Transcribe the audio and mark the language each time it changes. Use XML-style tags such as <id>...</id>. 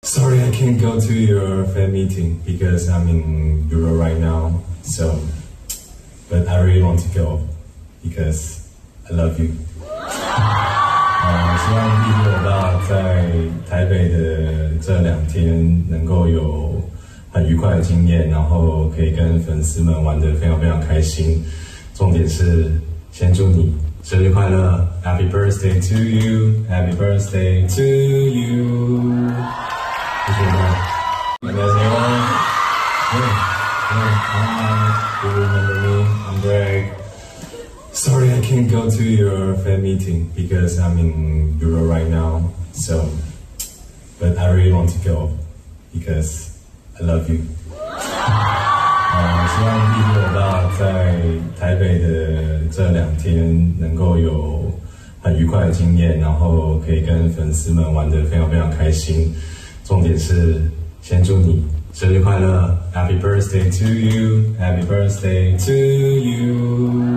<en>Sorry, I can't go to your fan meeting because I'm in Europe right now. So, but I really want to go because I love you.</en> <zh>希望听我爸在台北的这两天能够有很愉快的经验，然后可以跟粉丝们玩得非常非常开心。重点是，先祝你生日快乐 ，</zh> <en>Happy birthday to you，</en> <zh>Happy birthday to you。谢谢你们，大家好。</zh> <en>Hi, you remember me? I'm Greg. Sorry, I can't go to your fan meeting because I'm in Europe right now. So, but I really want to go because I love you.</en> <zh>希望听我爸在台北的这两天能够有很愉快的经验，然后可以跟粉丝们玩得非常非常开心。重点是，先祝你生日快乐 ，</zh> <en>Happy birthday to you，</en> <zh>Happy birthday to you。</zh>